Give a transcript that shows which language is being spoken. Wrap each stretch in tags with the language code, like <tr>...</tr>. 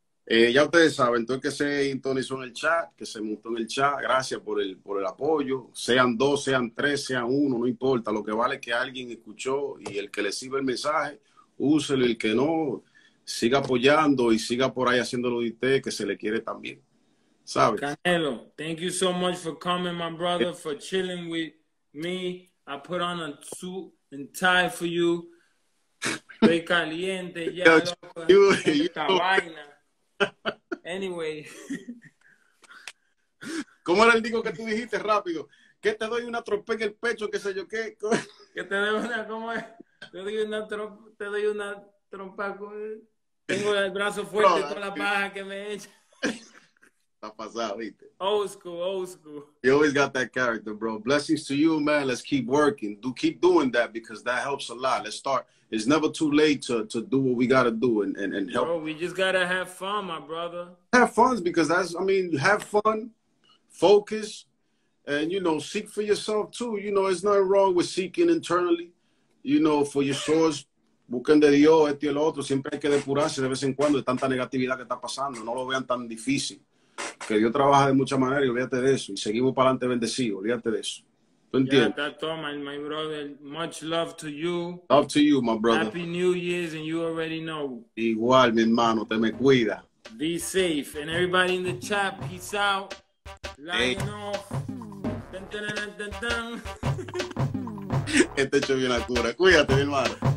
<es>Ya ustedes saben, entonces que se sintonizó en el chat, que se montó en el chat, gracias por el apoyo. Sean dos, sean tres, sean uno, no importa, lo que vale es que alguien escuchó, y el que le sirve el mensaje, úselo, el que no, siga apoyando y siga por ahí haciéndolo de usted, que se le quiere también. ¿Sabes?</es> <en>Canelo, thank you so much for coming, my brother, for chilling with me. I put on a suit and tie for you.</en> <es>Estoy caliente, ya, loco. Esta vaina. Anyway. ¿Cómo era el digo que tú dijiste rápido? Que te doy una tropa en el pecho, qué sé yo qué. Que te doy una, ¿cómo es? Te doy una trompa. Tengo el brazo fuerte con la paja que me echa. Está pasado, ¿viste?</es> <en>Old school. You always got that character, bro. Blessings to you, man. Let's keep working. Do keep doing that because that helps a lot. Let's start. It's never too late to do what we got to do and help. Bro, we just got to have fun, my brother. Have fun because have fun, focus, and, you know, seek for yourself, too. You know, it's nothing wrong with seeking internally, you know, for your source.</en> <es>Busquen de Dios, este y el otro. Siempre hay que depurarse de vez en cuando de tanta negatividad que está pasando. No lo vean tan difícil. Que Dios trabaja de muchas maneras, y olvídate de eso. Y seguimos para adelante bendecidos, olvídate de eso. ¿Tú entiendes?</es> <en>Yeah, that's all, my brother. Much love to you. Love to you, my brother. Happy New Year's, and you already know.</en> <es>Igual, mi hermano, te me cuida.</es> <en>Be safe. And everybody in the chat, peace out. Lying off. Dun, dun, dun, dun, dun, dun.</en> <es>Este hecho bien la cura. Cuídate, mi hermano.</es>